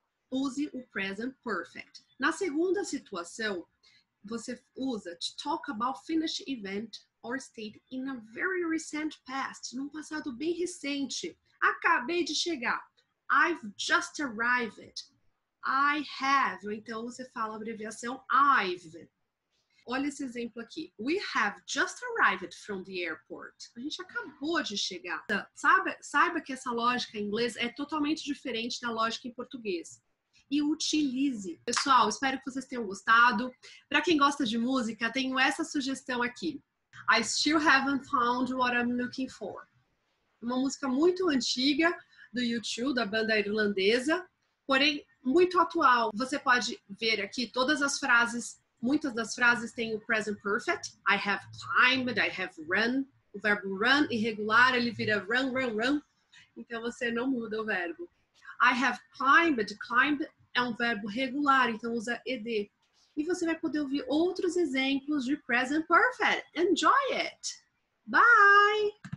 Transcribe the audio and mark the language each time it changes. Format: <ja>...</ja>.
<pt>Use o present perfect. Na segunda situação, você usa</pt> <en>to talk about finished event or state in a very recent past,</en> <pt>num passado bem recente. Acabei de chegar.</pt> <en>I've just arrived. I have.</en> <pt>Ou então você fala a abreviação I've. Olha esse exemplo aqui.</pt> <en>We have just arrived from the airport.</en> <pt>A gente acabou de chegar. Saiba que essa lógica em inglês é totalmente diferente da lógica em português. E utilize. Pessoal, espero que vocês tenham gostado. Para quem gosta de música, tenho essa sugestão aqui.</pt> <en>I still haven't found what I'm looking for.</en> <pt>Uma música muito antiga do U2, da banda irlandesa, porém muito atual. Você pode ver aqui todas as frases, muitas das frases têm o present perfect.</pt> <en>I have climbed, I have run.</en> <pt>O verbo run, irregular, ele vira run, run, run. Então você não muda o verbo.</pt> <en>I have climbed.</en> <pt>Climbed é um verbo regular, então usa ed. E você vai poder ouvir outros exemplos de present perfect.</pt> <en>Enjoy it! Bye!</en>